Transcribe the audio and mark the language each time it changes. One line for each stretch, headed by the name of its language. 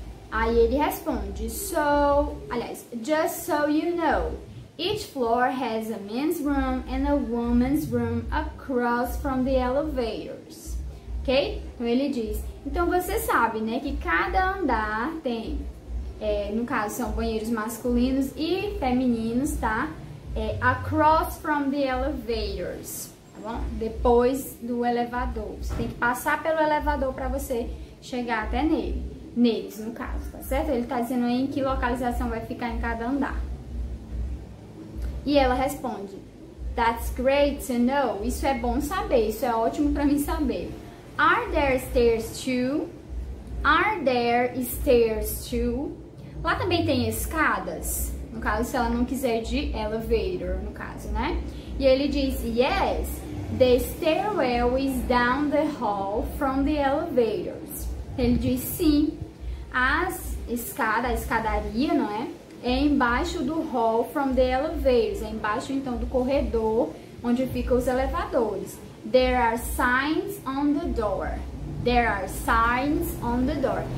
Portuguese: Aí ele responde,
English: so,
Portuguese: aliás,
English: just so you know, each floor has a men's room and a woman's room across from the elevators. Ok?
Portuguese: Então ele diz, então você sabe, né, que cada andar tem, no caso são banheiros masculinos e femininos, tá?
English: Across from the elevators, tá bom?
Portuguese: Depois do elevador. Você tem que passar pelo elevador para você chegar até nele. Neles, no caso, tá certo? Ele tá dizendo aí em que localização vai ficar em cada andar. E ela responde,
English: that's great to know,
Portuguese: isso é bom saber, isso é ótimo para mim saber.
English: Are there stairs too? Are there stairs too?
Portuguese: Lá também tem escadas, no caso se ela não quiser de elevator, no caso, né? E ele diz,
English: yes, the stairwell is down the hall from the elevators.
Portuguese: Ele diz, sim, as escadas, a escadaria, não é? É embaixo do hall
English: from the elevators.
Portuguese: É embaixo, então, do corredor onde ficam os elevadores.
English: There are signs on the door. There are signs on the door.